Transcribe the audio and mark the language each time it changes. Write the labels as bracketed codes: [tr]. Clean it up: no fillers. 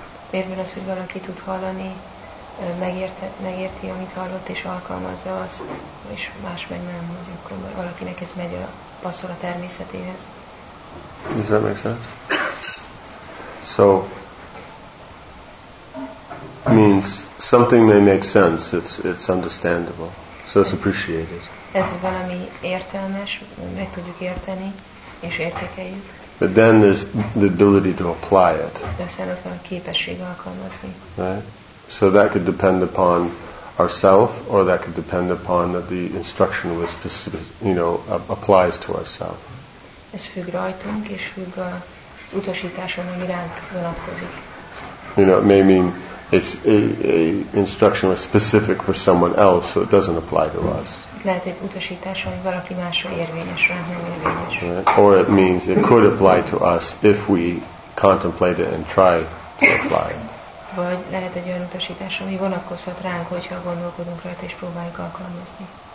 [hu] Miért van az, hogy valaki tud hallani, megérti, amit hallott, és alkalmazza azt, és más meg nem, hogy akkor valakinek ez megy a passzol a természetéhez. [en] Does that make sense? So, means something may make sense, it's understandable, so it's appreciated. [hu] Ez valami értelmes, meg tudjuk érteni, és értékeljük. [en] But then there's the ability to apply it. [hu] De aztán ott van a képesség alkalmazni. [en] Right? So that could depend upon ourselves, or that could depend upon that the instruction was specific, you know, applies to ourselves. [hu] Ez függ rajtunk, és függ a utasításon, ami ránk vonatkozik. [en] You know, it may mean it's a instruction was specific for someone else, so it doesn't apply to us. [hu] Lehet egy utasítás, ami valaki másra érvényes, ránk nem érvényes. [en] Right? Or it means it could apply to us if we contemplate it and try to apply it. [hu] Vagy lehet egy olyan utasítás, ami vonatkozhat ránk, hogyha gondolkodunk rajta és próbáljuk alkalmazni.